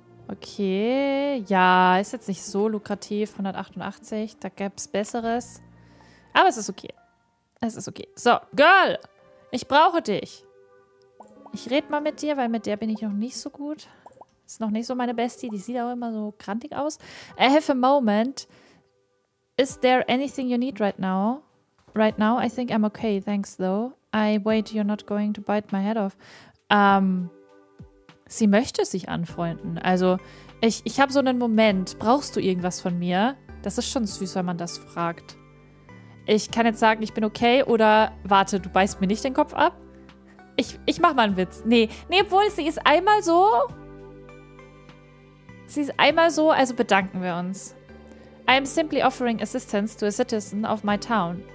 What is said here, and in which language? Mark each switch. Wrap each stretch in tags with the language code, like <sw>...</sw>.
<de>Okay, ja, ist jetzt nicht so lukrativ, 188, da gäbe es Besseres. Aber es ist okay. Es ist okay. So, Girl, ich brauche dich. Ich rede mal mit dir, weil mit der bin ich noch nicht so gut. Ist noch nicht so meine Bestie, die sieht auch immer so krantig aus.</de> <en>I have a moment. Is there anything you need right now? Right now, I think I'm okay, thanks though. I wait, you're not going to bite my head off.</en> <de>Sie möchte sich anfreunden. Also, ich habe so einen Moment. Brauchst du irgendwas von mir? Das ist schon süß, wenn man das fragt. Ich kann jetzt sagen, ich bin okay oder warte, du beißt mir nicht den Kopf ab? Ich mach mal einen Witz. Nee, obwohl sie ist einmal so. Sie ist einmal so, also bedanken wir uns.</de> <en>I'm simply offering assistance to a citizen of my town.</en>